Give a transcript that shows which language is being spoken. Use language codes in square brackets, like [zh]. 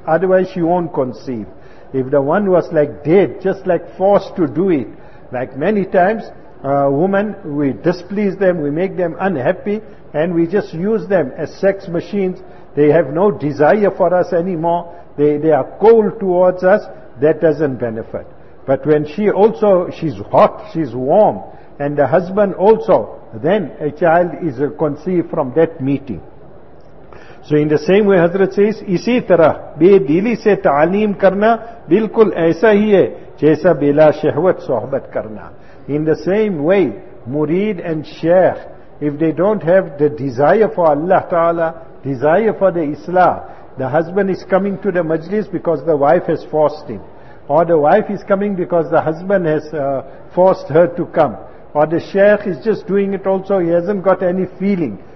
[en] Otherwise she won't conceive. If the one was like dead, just like forced to do it, like many times, women, we displease them, we make them unhappy, and we just use them as sex machines. They have no desire for us anymore. They are cold towards us. That doesn't benefit. But when she also, she's hot, she's warm, and the husband also, then a child is conceived from that meeting. So in the same way, Hazrat says, [ur] اسی طرح بے دلی سے تعلیم کرنا بالکل ایسا ہی ہے جیسا بلا شہوت صحبت کرنا. [en] In the same way, murid and shaykh, if they don't have the desire for Allah Ta'ala, desire for the Islam, the husband is coming to the majlis because the wife has forced him, or the wife is coming because the husband has forced her to come, or the shaykh is just doing it also, he hasn't got any feeling.